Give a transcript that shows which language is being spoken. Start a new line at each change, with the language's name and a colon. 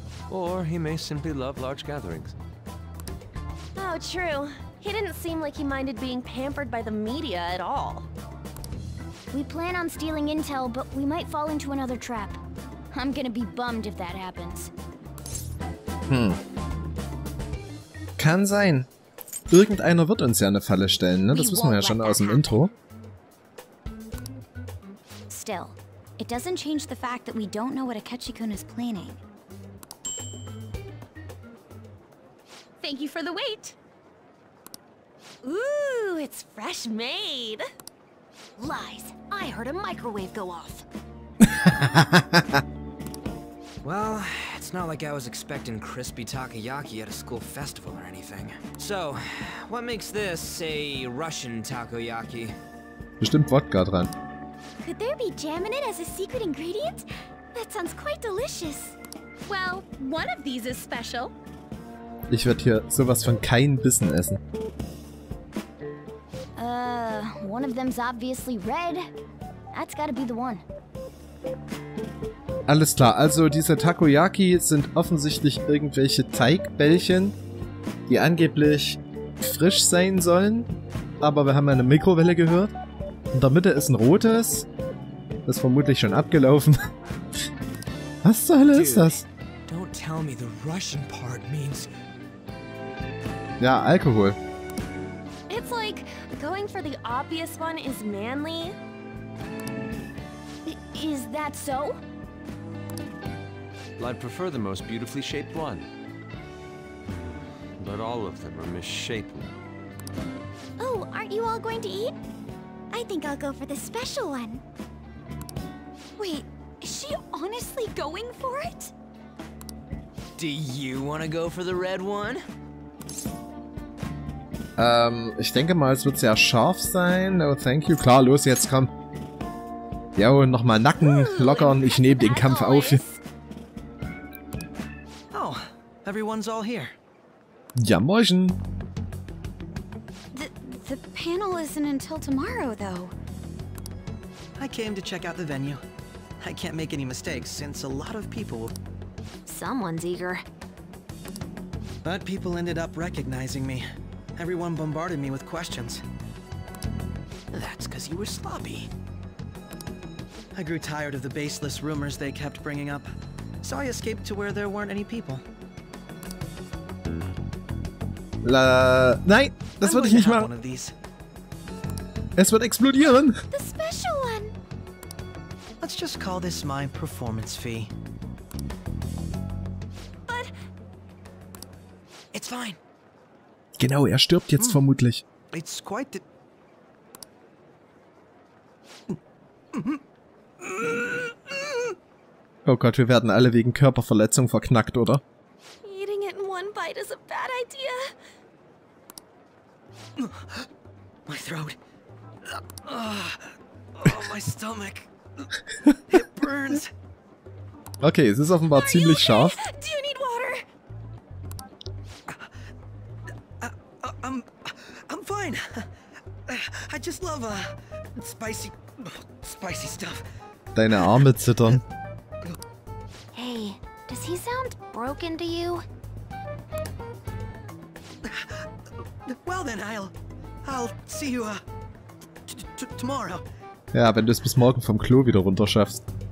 English: Or he may simply love large gatherings. Oh, true. He didn't seem like he minded being pampered by the media at all. We plan on stealing intel, but we might fall into another trap. I'm gonna be bummed if that happens.
German: Kann sein. Irgendeiner wird uns ja eine Falle stellen, ne? Das wissen wir ja schon aus dem Intro.
English: Still, it doesn't change the fact that we don't know what Akechi-kun is planning. Thank you for the wait. Ooh, it's fresh made. Lies. I heard a microwave go off. Well, it's not like I was expecting crispy takoyaki at a school festival or anything. So, what makes this a Russian takoyaki?
German: Bestimmt Wodka dran.
English: Could there be jam in it as a secret ingredient? That sounds quite delicious. Well, one of these is special.
German: Ich werde hier sowas von keinen Bissen essen.
English: One of them's obviously red. That's gotta be the one.
German: Alles klar, also diese Takoyaki sind offensichtlich irgendwelche Teigbällchen, die angeblich frisch sein sollen. Aber wir haben eine Mikrowelle gehört. In der Mitte ist ein rotes. Das ist vermutlich schon abgelaufen. Was zur Hölle ist das?
English: Don't tell me the Russian part means...
German: Ja, Alkohol.
English: It's like going for the obvious one is manly. Is that so? I'd prefer the most beautifully shaped one. But all of them are misshapen. Oh, aren't you all going to eat? I think I'll go for the special one. Wait, is she honestly going for it? Do you want to go for the red one?
German: Ich denke mal, es wird sehr scharf sein.
English: Oh, thank you.
German: Klar, los jetzt, komm. Ja, und nochmal Nacken lockern. Ich nehme den Kampf auf.
English: Oh, everyone's all here.
German: Ja, moin.
English: The panel isn't until tomorrow, though. I came to check out the venue. I can't make any mistakes, since a lot of people... Someone's eager. But people ended up recognizing me. Everyone bombarded me with questions. That's because you were sloppy. I grew tired of the baseless rumors they kept bringing up, so I escaped to where there weren't any people.
German: Nein, das würde ich nicht machen. Es wird explodieren.
English: The special one. Let's just call this my performance fee. But it's fine.
German: Genau, er stirbt jetzt vermutlich.
English: It's quite the
German: Oh Gott, wir werden alle wegen Körperverletzung verknackt, oder?
English: Eating it in one bite is a bad idea. My throat. Oh, my stomach. It burns.
German: Okay, es ist offenbar ziemlich scharf.
English: Do you need water? I'm fine. I just love spicy stuff.
German: Deine Arme zittern.
English: Hey, does he sound broken to you? Well then, I'll see you tomorrow.
German: Ja, wenn du es bis morgen vom Klo wieder runter schaffst.